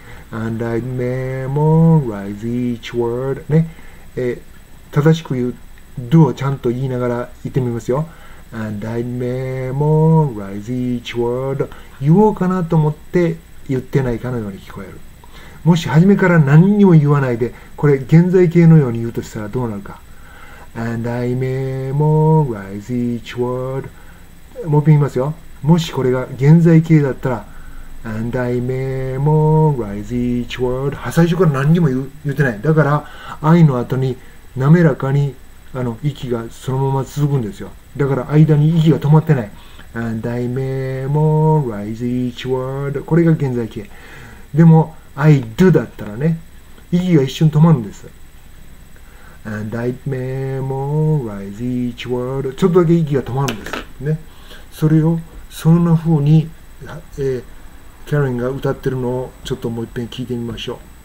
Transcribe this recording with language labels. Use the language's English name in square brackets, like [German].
[English] And I memorize each word [Japanese] ね、正しく言う do をちゃんと言いながら言ってみますよ。 [English] And I memorize each word [Japanese] 言おうかなと思って言ってないかのように聞こえる。もし初めから何にも言わないで、これ現在形のように言うとしたらどうなるか。 [English] And I memorize each word、 [Japanese] もう一回言いますよ。もしこれが現在形だったら、 [English] And I memorize each word、 [Japanese] 最初から何にも言ってない。だから I の後に滑らかに息がそのまま続くんですよ。だから間に息が止まってない。 [English] And I memorize each word、 [Japanese] これが現在形。でも I do だったらね、息が一瞬止まるんです。 [English] And I memorize each word、 [Japanese] ちょっとだけ息が止まるんですね。それをそんな風に、キャロリンが歌ってるのをちょっともう一遍聞いてみましょう。